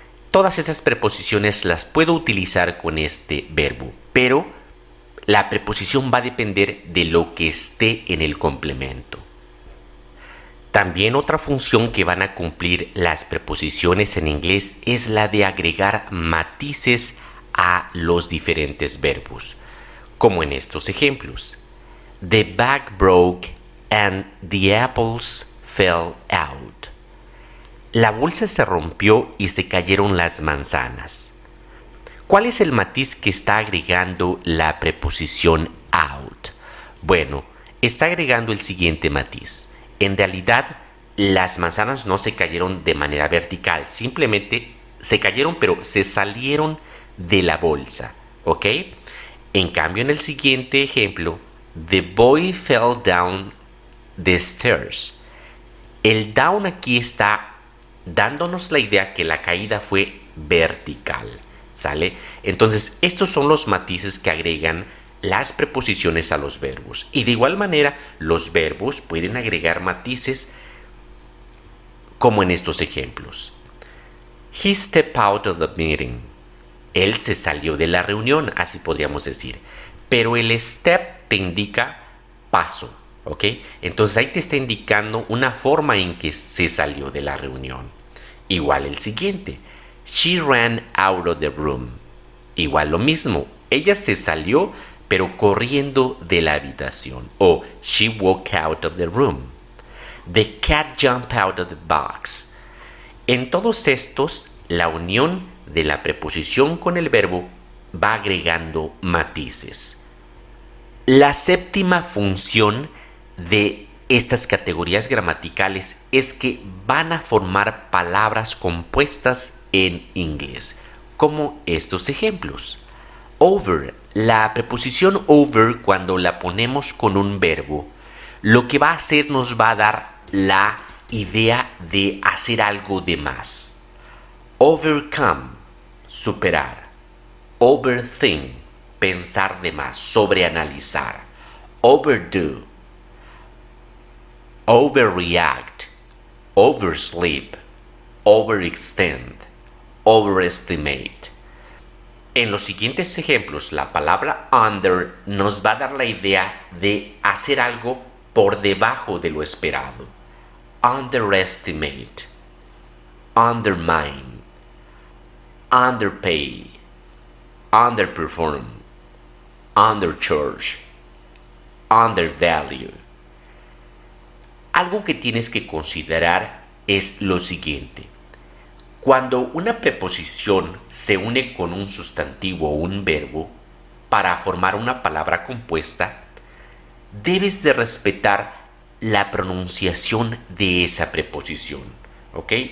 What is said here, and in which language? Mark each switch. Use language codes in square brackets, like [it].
[es] Todas esas preposiciones las puedo utilizar con este verbo, pero la preposición va a depender de lo que esté en el complemento. También otra función que van a cumplir las preposiciones en inglés es la de agregar matices a los diferentes verbos, como en estos ejemplos. [en] The bag broke and the apples fell out. [es] La bolsa se rompió y se cayeron las manzanas. ¿Cuál es el matiz que está agregando la preposición out? Bueno, está agregando el siguiente matiz. En realidad, las manzanas no se cayeron de manera vertical, simplemente se cayeron, pero se salieron de la bolsa, ¿ok? En cambio, en el siguiente ejemplo, [en] the boy fell down the stairs. [es] El down aquí está dándonos la idea que la caída fue vertical, ¿sale? Entonces, estos son los matices que agregan las preposiciones a los verbos. Y de igual manera, los verbos pueden agregar matices como en estos ejemplos. [en] He stepped out of the meeting. [es] Él se salió de la reunión, así podríamos decir. Pero el step te indica paso, ¿ok? Entonces ahí te está indicando una forma en que se salió de la reunión. Igual el siguiente. [en] She ran out of the room. [es] Igual lo mismo. Ella se salió, pero corriendo de la habitación. [en] O, she walked out of the room. The cat jumped out of the box. [es] En todos estos, la unión de la preposición con el verbo va agregando matices. La séptima función de estas categorías gramaticales es que van a formar palabras compuestas en inglés, como estos ejemplos. Over. La preposición over, cuando la ponemos con un verbo, lo que va a hacer nos va a dar la idea de hacer algo de más. Overcome, superar. Overthink, pensar de más, sobreanalizar. [en] Overdo. Overreact. Oversleep. Overextend. Overestimate. [es] En los siguientes ejemplos, la palabra under nos va a dar la idea de hacer algo por debajo de lo esperado. [en] Underestimate, undermine, underpay, underperform, undercharge, undervalue. [es] Algo que tienes que considerar es lo siguiente. Cuando una preposición se une con un sustantivo o un verbo para formar una palabra compuesta, debes de respetar la pronunciación de esa preposición, ¿ok?